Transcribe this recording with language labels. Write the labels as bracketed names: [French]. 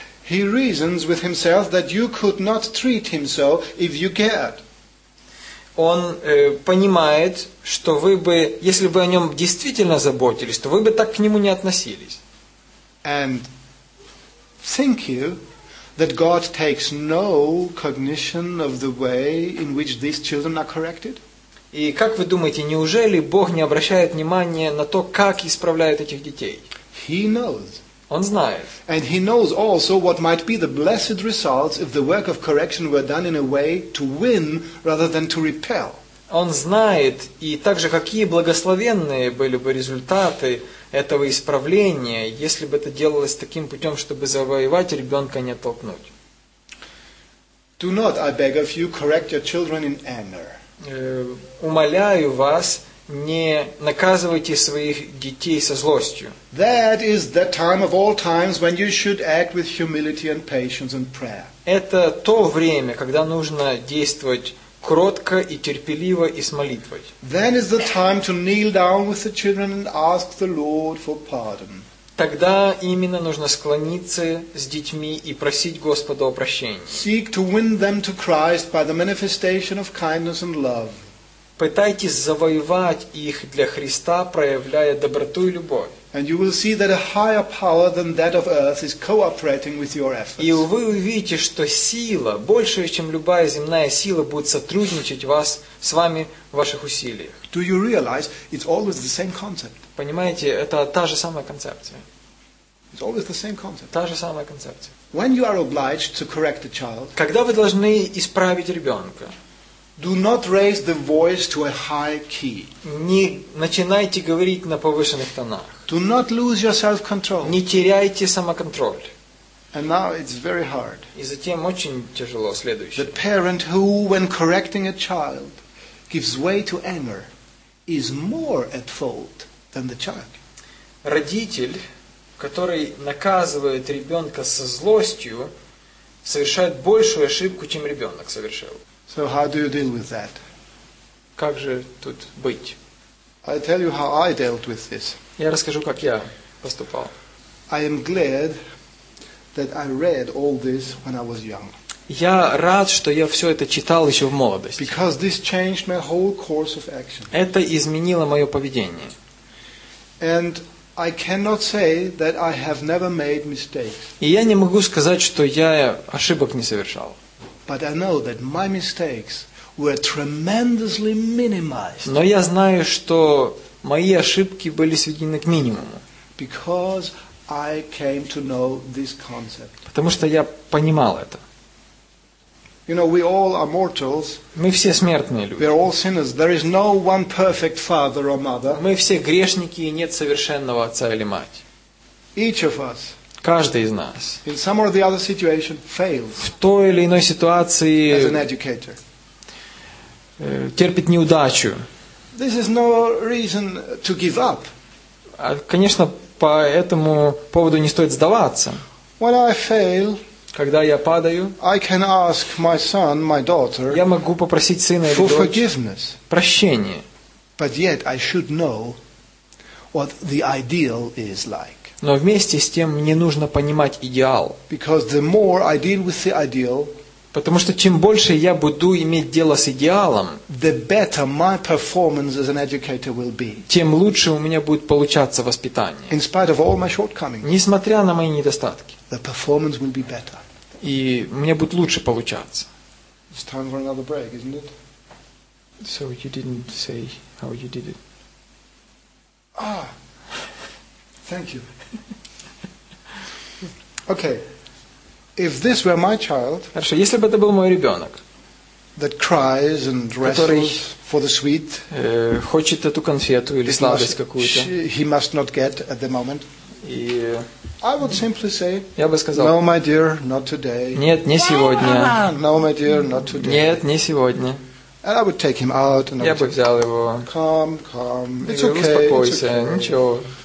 [English] He reasons with himself that you could not treat him so if you cared. [Russian] Он понимает, что вы бы, если бы о нем действительно заботились, то вы бы так к нему не относились. [English] And think you that God takes no cognition of the way in which these children are corrected? [Russian] И как вы думаете, неужели Бог не обращает внимания на то, как исправляют этих детей? [English] He knows. [Russian] Он знает. [English] And he knows also what might be the blessed results if the work of correction were done in a way to win rather than to repel. [Russian] Он знает, и также какие благословенные были бы результаты этого исправления, если бы это делалось таким путем, чтобы завоевать ребенка, не оттолкнуть. [English] Do not, I beg of you, correct your children in anger. [Russian] Умоляю вас, не наказывайте своих детей со злостью. [English] That is the time of all times when you should act with humility and patience and prayer. [Russian] Это то время, когда нужно действовать кротко и терпеливо и с молитвой. [English] Then is the time to kneel down with the children and ask the Lord for pardon. [Russian] Тогда именно нужно склониться с детьми и просить Господа о прощении. [English] Seek to win them to Christ by the manifestation of kindness and love. [Russian] Пытайтесь завоевать их для Христа, проявляя доброту и любовь. И вы увидите, что сила, больше, чем любая земная сила, будет сотрудничать вас, с вами в ваших усилиях. [English] Do you realize it's always the same concept? [Russian] Понимаете, это та же самая концепция. [English] It's always the same concept. [Russian] Та же самая концепция. [English] When you are obliged to correct a child, [Russian] когда вы должны исправить ребенка, [English] do not raise the voice to a high key. [Russian] Не начинайте говорить на повышенных тонах. [English] Do not lose your self-control. [Russian] Не теряйте самоконтроль. [English] And now it's very hard. [Russian] И затем очень тяжело следующее. [English] The parent who, when correcting a child, gives way to anger, is more at fault than the child. [Russian] Родитель, который наказывает ребенка со злостью, совершает большую ошибку, чем ребенок совершил. [English] So how do you deal with that? [Russian] Как же тут быть? [English] I tell you how I dealt with this. [Russian] Я расскажу, как я поступал. [English] I am glad that I read all this when I was young. [Russian] Я рад, что я все это читал еще в молодости. [English] Because this changed my whole course of action. [Russian] Это изменило мое поведение. [English] And I cannot say that I have never made mistakes. [Russian] И я не могу сказать, что я ошибок не совершал. [English] But I know that my mistakes were tremendously minimized. [Russian] Но я знаю, что мои ошибки были сведены к минимуму. [English] Because I came to know this concept. [Russian] Потому что я понимал это. [English] You know, we all are mortals. [Russian] Мы все смертные люди. [English] We are all sinners. There is no one perfect father or mother. [Russian] Мы все грешники, и нет совершенного отца или мать. [English] Each of us. [Russian] Каждый из нас [English] in some or the other situation fails [Russian] в той или иной ситуации [English] as an educator. [Russian] Терпит неудачу. [English] This is no reason to give up. [Russian] Конечно, по этому поводу не стоит сдаваться. [English] When I fail, [Russian] когда я падаю, [English] I can ask my son, my daughter, [Russian] я могу попросить сына или дочь [English] forgiveness. [Russian] Прощения. [English] But yet I should know what the ideal is like. [Russian] Но вместе с тем мне нужно понимать идеал. [English] Because the more I deal with the ideal, [Russian] потому что чем больше я буду иметь дело с идеалом, [English] the better my performance as an educator will be. [Russian] Тем лучше у меня будет получаться воспитание. [English] In spite of all my shortcomings, [Russian] несмотря на мои недостатки, [English] the performance will be better. [Russian] И мне будет лучше получаться. [English] It's time for another break, isn't it? So you didn't say how you did it. Ah. Thank you. Okay. If this were my child, [Russian] хорошо, если бы это был мой ребенок, [English] that cries and wrestles for the sweet, [Russian] хочет эту конфету или сладость какую-то, [English] he must not get at the moment. [Russian] И, [English] I would simply say, [Russian] я бы сказал, [English] no, my dear, not today. [Russian] Нет, не сегодня. [English] No, my dear, not today. [Russian] Нет, не сегодня. [English] And I would take him out and [Russian] я бы взял его. [English] Calm. It's okay. [Russian] Успокойся, ничего.